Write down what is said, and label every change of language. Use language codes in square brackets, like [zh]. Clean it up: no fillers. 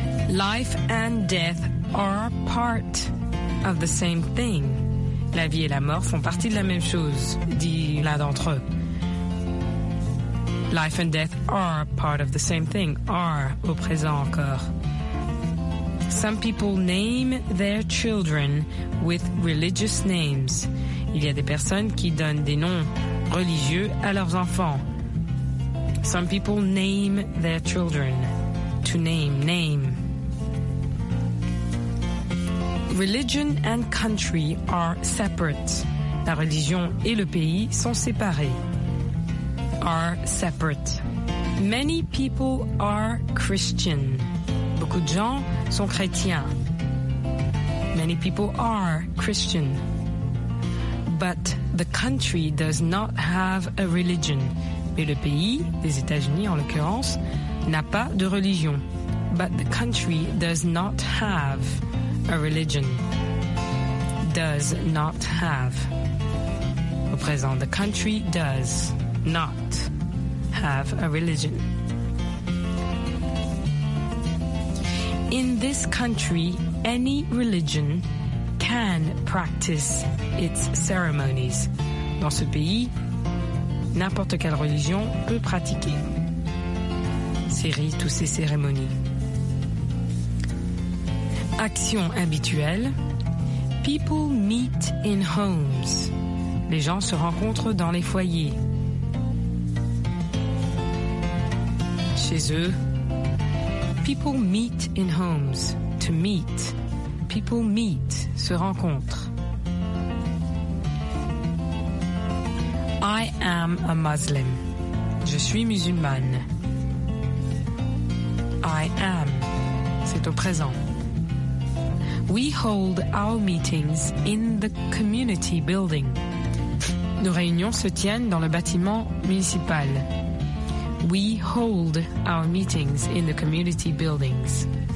[en] Life and death are part of the same thing. [fr] La vie et la mort font partie de la même chose, dit l'un d'entre eux. [en] Life and death are part of the same thing, are [fr] au présent encore. [en] Some people name their children with religious names. [fr] Il y a des personnes qui donnent des noms religieux à leurs enfants. [en] Some people name their children. To name, name. Religion and country are separate. [fr] La religion et le pays sont séparés. [en] Are separate. Many people are Christian. [fr] Beaucoup de gens sont chrétiens. [en] Many people are Christian. But the country does not have a religion. [fr] Mais le pays, les États-Unis en l'occurrence, n'a pas de religion. [en] But the country does not have a religion. Does not have. [fr] Au présent, [en] the country does not have a religion. In this country, any religion can practice its ceremonies. [fr] Dans ce pays, n'importe quelle religion peut pratiquer ses rites ou ses cérémonies. Action habituelle. [en] People meet in homes. [fr] Les gens se rencontrent dans les foyers. Chez eux. [en] People meet in homes. To meet. People meet. [fr] Se rencontrent. [en] I am a Muslim. [fr] Je suis musulmane. [en] I am. [fr] C'est au présent. [en] We hold our meetings in the community building. [fr] Nos réunions se tiennent dans le bâtiment municipal. [en] We hold our meetings in the community buildings.